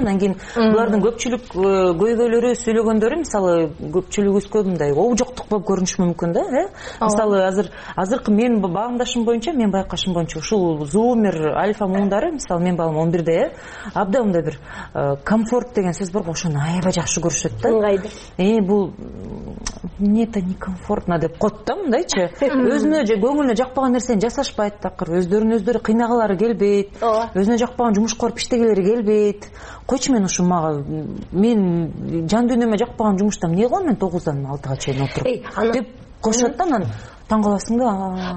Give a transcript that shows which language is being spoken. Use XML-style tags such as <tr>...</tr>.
<ky>Анан кийин булардын көпчүлүк көйгөйлөрү, сүйлөгөндөрү мисалы көпчүлүгүбүзгө мындай обжоктук болуп көрүнүшү мүмкүн да, э? Мисалы азыркы менин багымдашым боюнча, менин байкашым боюнча ушул зуумер альфа муундары, мисалы менин балым 11-де, э? Абдан мындай бир комфорт деген сөз барго, ошону аябай жакшы көрүшөт да. Ыңгайды. Бул</ky> <ru>мне это некомфортно</ru> <ky>деп коет да мындайчы. Өзүнө же көңүлүнө жакпаган нерсени жасашпайт такыр, өздөрүн өздөрү кыйнагылары келбейт. Өзүнө жакпаган жумуш кылып иштегилери келбейт. Койчу мен ушу мага, мен жан дүйнөмө жакпаган жумушта эмне кылам мен 9-дан 6-га чейин отуруп деп кошот да, анан таң каласың да.</ky>